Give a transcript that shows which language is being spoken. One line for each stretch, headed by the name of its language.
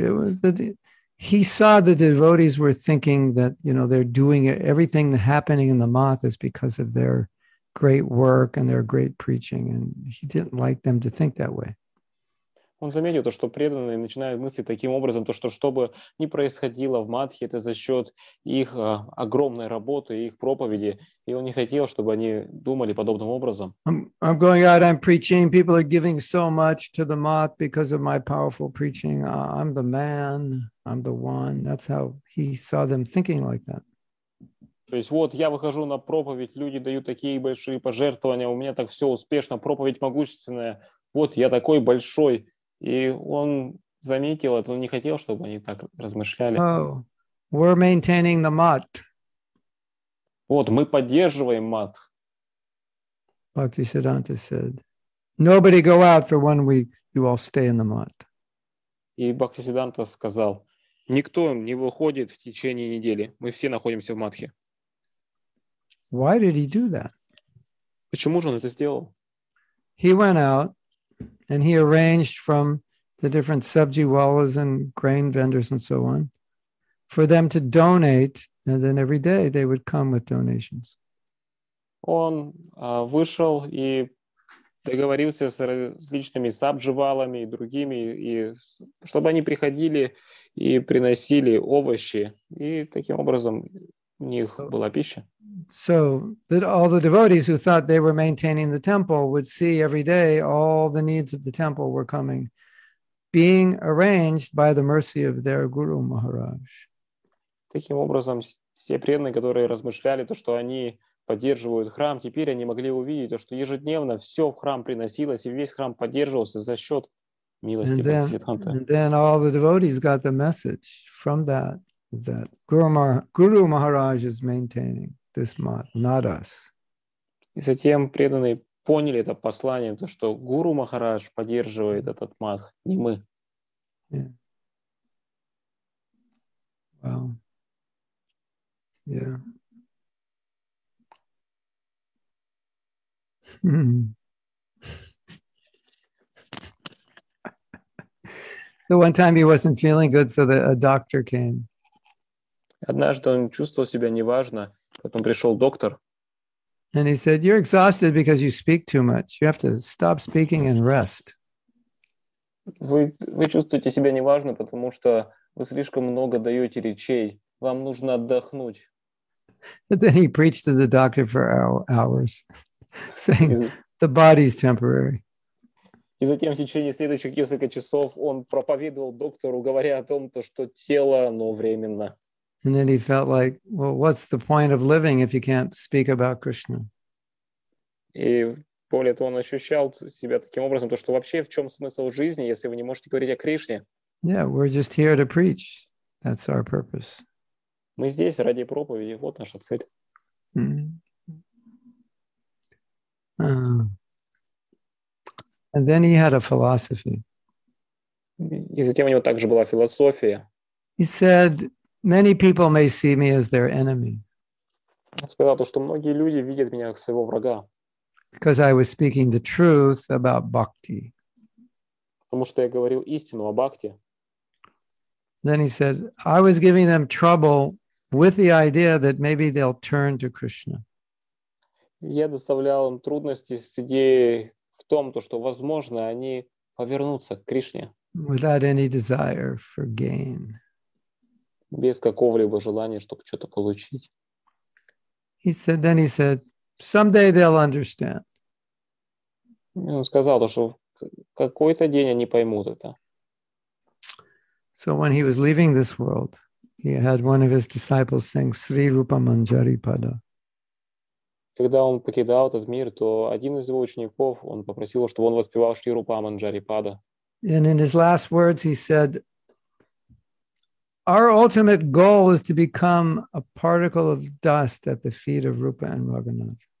English: It was that he saw the devotees were thinking that, you know, they're doing it, everything happening in the moth is because of their great work and their great preaching. And he didn't like them to think that way.
Russian: Он заметил то, что преданные начинают мыслить таким образом, то, что что бы ни происходило в Мадхи, это за счет их огромной работы, их проповеди. И он не хотел, чтобы они думали подобным образом.
English: I'm going out, I'm preaching. People are giving so much to the Moth because of my powerful preaching. I'm the man, I'm the one. That's how he saw them thinking like that.
Russian: То есть вот я выхожу на проповедь, люди дают такие большие пожертвования, у меня так все успешно, проповедь могущественная. Вот я такой большой. И он заметил это, он не хотел, чтобы они так размышляли.
English: Oh, we're maintaining the mat.
Russian: Вот, мы поддерживаем мат.
English: Bhaktisiddhanta said, nobody go out for 1 week, you all stay in the mat.
Russian: И Бхактисиддханта сказал, никто не выходит в течение недели, мы все находимся в матхе.
English: Why did he do that?
Russian: Почему же он это сделал?
English: He went out. And he arranged from the different sabjiwalas and grain vendors and so on for them to donate, and then every day they would come with donations.
Russian: Он вышел и договорился с различными сабживалами и другими, и чтобы они приходили и приносили овощи, и таким образом у них была пища.
English: So that all the devotees who thought they were maintaining the temple would see every day all the needs of the temple were coming, being arranged by the mercy of their Guru Maharaj.
Russian: Таким образом, все преданные, которые размышляли то, что они поддерживают храм, теперь они могли увидеть то, что ежедневно все в храм приносилось и весь храм поддерживался за счет милости Бхактисиддханты.
English: And then all the devotees got the message from that, that Guru Maharaj is maintaining this mat, not us.
Russian: И затем преданные поняли это послание, то что Гуру Махарадж поддерживает этот мат, не мы.
English: Yeah. Well, yeah. So one time he wasn't feeling good, so a doctor came.
Russian: Однажды он чувствовал себя неважно. Потом пришел доктор.
English: And he said, "You're exhausted because you speak too much. You have to stop speaking and rest."
Russian: Вы чувствуете себя неважно, потому что вы слишком много даете речей. Вам нужно отдохнуть.
English: But then he preached to the doctor for hours, saying, "The body's temporary."
Russian: И затем в течение следующих нескольких часов он проповедовал доктору, говоря о том, то, что тело, оно временно.
English: And then he felt like, well, what's the point of living if you can't speak about Krishna?
Russian: И более того, он ощущал себя таким образом, то что вообще в чем смысл жизни, если вы не можете говорить о Кришне?
English: Yeah, we're just here to preach. That's our purpose.
Russian: Мы здесь ради проповеди. Вот наша цель.
English: And then he had a philosophy.
Russian: И затем у него также была философия.
English: He said, many people may see me as their enemy.
Russian: Сказал то, что многие люди видят меня как своего врага.
English: Because I was speaking the truth about bhakti.
Russian: Потому что я говорил истину о бхакти.
English: Then he said, I was giving them trouble with the idea that maybe they'll turn to Krishna.
Russian: Я доставлял им трудности с идеей в том, то, что возможно они повернутся к Кришне.
English: Without any desire for gain.
Russian: Без какого-либо желания, чтобы что-то получить.
English: He said, then he said, someday they'll understand.
Russian: Он сказал, что какой-то день они поймут это.
English: So when he was leaving this world, he had one of his disciples sing Sri Rupa Manjari Pada.
Russian: Когда он покидал этот мир, то один из его учеников, он попросил, чтобы он воспевал Шри Рупа Манджари Пада.
English: And in his last words, he said, our ultimate goal is to become a particle of dust at the feet of Rupa and Raghunath.